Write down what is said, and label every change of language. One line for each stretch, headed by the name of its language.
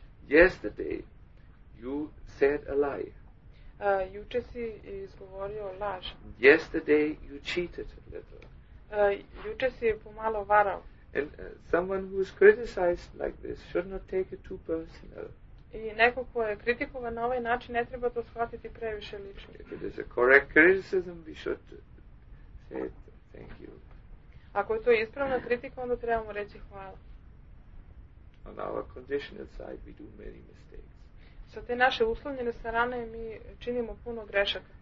English: Yesterday you said a lie.
Serbian: Juče si izgovorio laž.
English: Yesterday you cheated a little.
Serbian: Juče si pomalo varao.
English: And someone who is criticized like this should not take it too personal.
Serbian: I neko ko je kritikovan na ovaj način ne treba to shvatiti previše lično.
English: If it is a correct criticism, we should say it. Thank you.
Serbian: Ako je to ispravna kritika, onda trebamo reći hvala.
English: On our conditional side, we do many mistakes.
Serbian: Sa te naše uslovljene strane mi činimo puno grešaka.